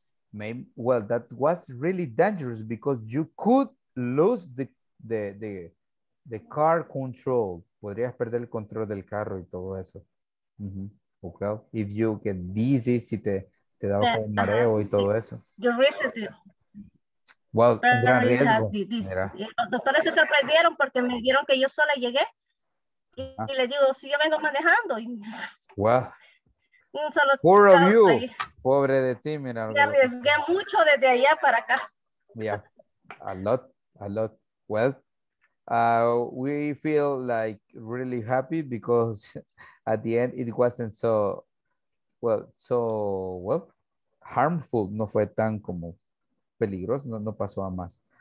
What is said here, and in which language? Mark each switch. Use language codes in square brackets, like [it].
[en] Maybe well that was really dangerous because you could lose the car control. [es] Podrías perder el control del carro y todo eso. Mm-hmm. Okay, [en] if you get dizzy, [es] si te te daba como mareo y todo eso. Yo recibí. Well, un gran riesgo. Los doctores se sorprendieron porque me dieron que yo sola llegué. Y le digo, si yo vengo manejando. [en] Wow. [es] Un solo [en] poor of you. [es] Ahí. Pobre de ti, mira. Me arriesgué mucho desde allá para acá. [en] Yeah, a lot. Well, we feel like really happy because at the end it wasn't so... Well, harmful, [es] no fue tan como peligroso, no pasó a más.